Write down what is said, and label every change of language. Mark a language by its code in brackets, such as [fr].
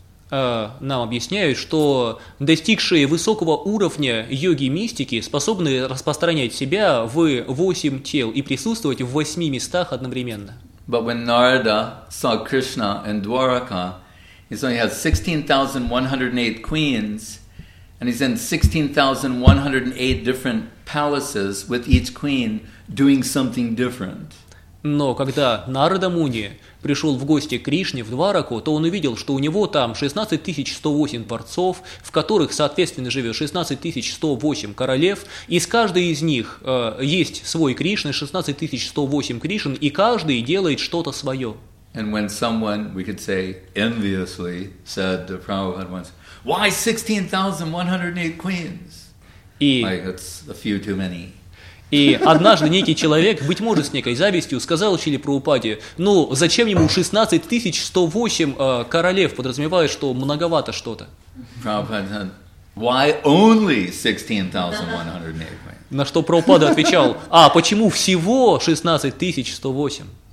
[ru] Нам объясняют, что достигшие высокого уровня йоги-мистики способны распространять себя в 8 тел и присутствовать в 8 местах одновременно. [en] But when Narada saw Krishna in Dwaraka, he saw he had 16,108 queens, and he's in 16,108 different palaces with each queen doing something different. [ru] Но когда Нарада Муни пришел в гости к Кришне в Двараку, то он увидел, что у него там 16108 дворцов, в которых, соответственно, живет 16108 королев, и с каждой из них есть свой Кришна, 16108 Кришн, и каждый делает что-то свое. [en] And when someone, we could say, enviously said to Prabhupada once, why 16,108 queens? Like, it's a few too many. [ru] И однажды некий человек, быть может, с некой завистью, сказал Шриле Прабхупаде: ну, зачем ему 16108 королев, подразумевая, что многовато что-то. [en] Prabhupada said, why only 16108 queens? [ru] На что Прабхупада отвечал: а почему всего 16108?